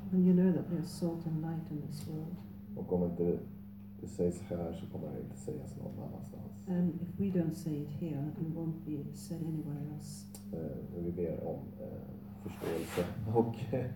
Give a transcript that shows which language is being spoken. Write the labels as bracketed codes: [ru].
[en] And you know that there's salt and light in this world. [sv] Och om inte det sägs här så kommer det inte sägas någon annanstans. [en] And if we don't say it here, it won't be said anywhere else. [sv] Vi ber om förståelse och